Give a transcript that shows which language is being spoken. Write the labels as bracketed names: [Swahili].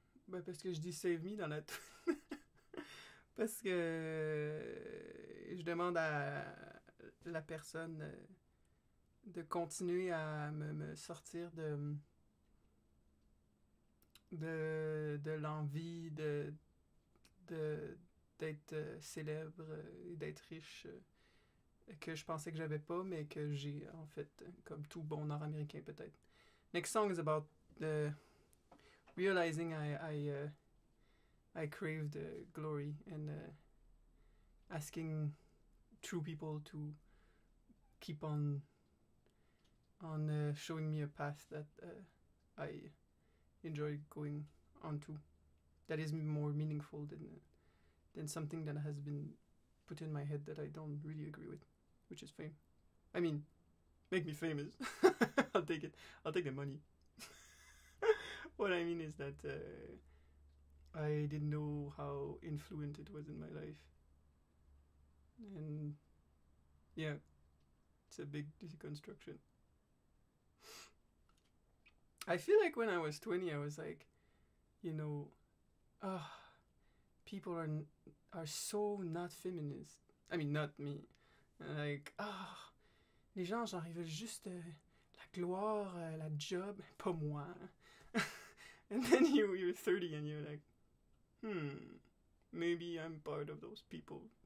[French] Ben parce que je dis Save Me dans la tune parce que je demande à la personne de continuer à me sortir de l'envie d'être célèbre et d'être riche que je pensais que j'avais pas mais que j'ai en fait comme tout bon nord-américain peut-être. [English] Next song is about realizing I crave the glory and asking true people to keep on showing me a path that I enjoy going onto that is more meaningful than something that has been put in my head that I don't really agree with, which is fame. I mean, make me famous. I'll take it. I'll take the money. What I mean is that I didn't know how influent it was in my life. And yeah, it's a big deconstruction. I feel like when I was 20, I was like, you know, people are so not feminist. I mean, not me. [French] Like, les gens, genre, ils veulent juste la gloire, la job, pas moi. [English] And then you're 30 and you're like, maybe I'm part of those people.